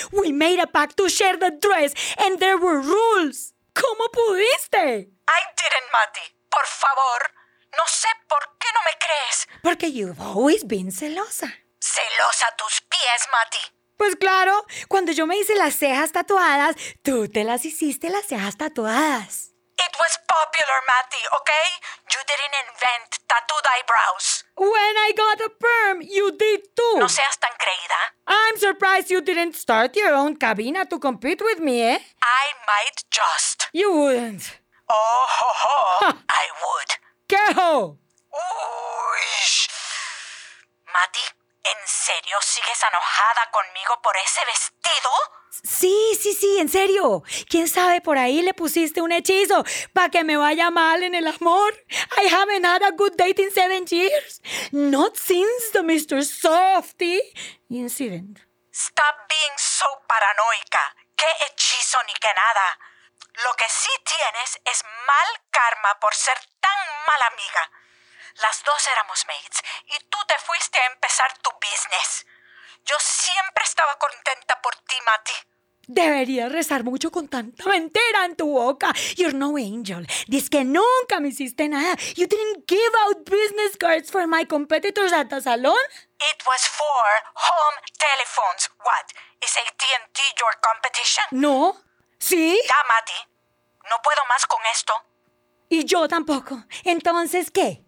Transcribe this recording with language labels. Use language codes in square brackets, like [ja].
[en] We made a pact to share the dress, and there were rules. [es] ¿Cómo pudiste? [en] I didn't, Matty. [es] Por favor, no sé por qué no me crees. Porque [en] you've always been [es] celosa. Celosa a tus pies, Matty. Pues claro, cuando yo me hice las cejas tatuadas, tú te las hiciste las cejas tatuadas. [en] It was popular, Matty, okay? You didn't invent tattooed eyebrows. When I got a perm, you did too. [es] No seas tan creída. [en] I'm surprised you didn't start your own cabina to compete with me, eh? I might just. You wouldn't. Oh, ho, ho. I would. [es] ¿Qué ho? Uy. Matty, ¿En serio sigues enojada conmigo por ese vestido? Sí, sí, sí, en serio. ¿Quién sabe? Por ahí le pusiste un hechizo para que me vaya mal en el amor. [en] I haven't had a good date in 7 years. Not since the Mr. Softy incident. Stop being so paranoica. [es] ¿Qué hechizo ni qué nada? Lo que sí tienes es mal karma por ser tan mala amiga. Las dos éramos mates y tú te fuiste a empezar tu business. Yo siempre estaba contenta por ti, Matty. Deberías rezar mucho con tanta mentira en tu boca. [en] You're no angel. [es] Dice que nunca me hiciste nada. [en] You didn't give out business cards for my competitors at the salon. It was for home telephones. What? Is AT&T your competition? [es] No. ¿Sí? Ya, Matty. No puedo más con esto. Y yo tampoco. Entonces, ¿qué?